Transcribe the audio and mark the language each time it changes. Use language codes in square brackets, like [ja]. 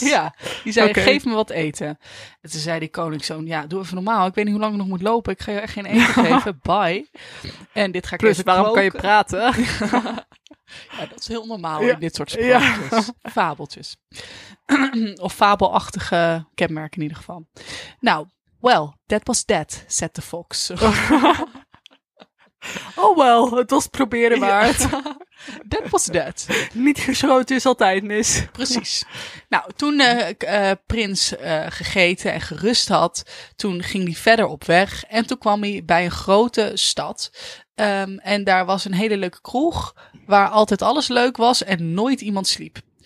[nl] Ja, die zei, geef me wat eten. En toen zei die koningszoon, ja, doe even normaal. Ik weet niet hoe lang ik nog moet lopen. Ik ga je echt geen eten geven. Bye. En dit ga ik plus, even waarom kan je praten? Ja, dat is heel normaal in dit soort sprookjes. Ja. Fabeltjes. Of fabelachtige kenmerken in ieder geval. Nou, [en] well, that was that, said the fox. Oh well, [nl] het was proberen waard. [en] That was that. [nl] Niet geschoten is altijd mis. Precies. Nou, toen prins gegeten en gerust had, toen ging hij verder op weg. En toen kwam hij bij een grote stad. En daar was een hele leuke kroeg waar altijd alles leuk was en nooit iemand sliep.